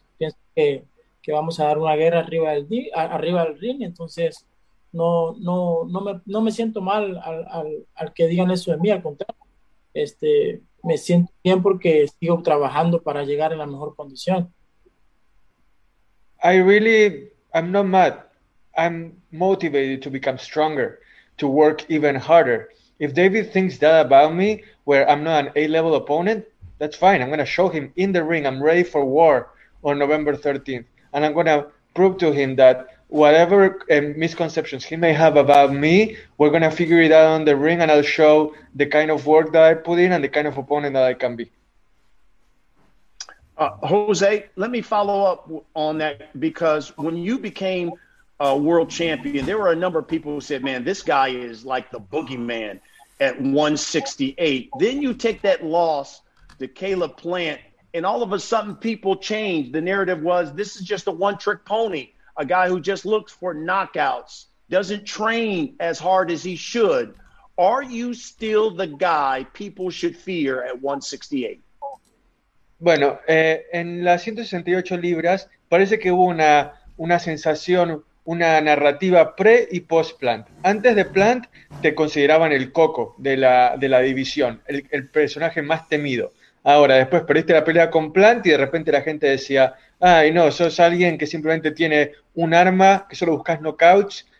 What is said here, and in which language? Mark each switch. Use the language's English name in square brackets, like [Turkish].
[Spanish] Pienso que vamos a dar una guerra arriba del ring, entonces no me siento mal al que digan eso de mí, al contrario. Me siento bien porque sigo trabajando para llegar en la mejor condición. [English] I'm not mad. I'm motivated to become stronger, to work even harder. If David thinks that about me, where I'm not an A-level opponent, that's fine. I'm going to show him in the ring I'm ready for war on November 13th. And I'm going to prove to him that whatever misconceptions he may have about me, we're going to figure it out on the ring, and I'll show the kind of work that I put in and the kind of opponent that I can be. Jose, let me follow up on that, because when you became a world champion, there were a number of people who said, man, this guy is like the boogeyman at 168. Then you take that loss to Caleb Plant, and all of a sudden people changed. The narrative was, this is just a one-trick pony, a guy who just looks for knockouts, doesn't train as hard as he should. Are you still the guy people should fear at 168? [Spanish] Bueno, en las 168 libras parece que hubo una sensación, una narrativa pre y post Plant. Antes de Plant te consideraban el coco de la división, el personaje más temido. Ahora, después perdiste la pelea con Plant y de repente la gente decía, ay no, sos alguien que simplemente tiene un arma, que solo buscas knockouts.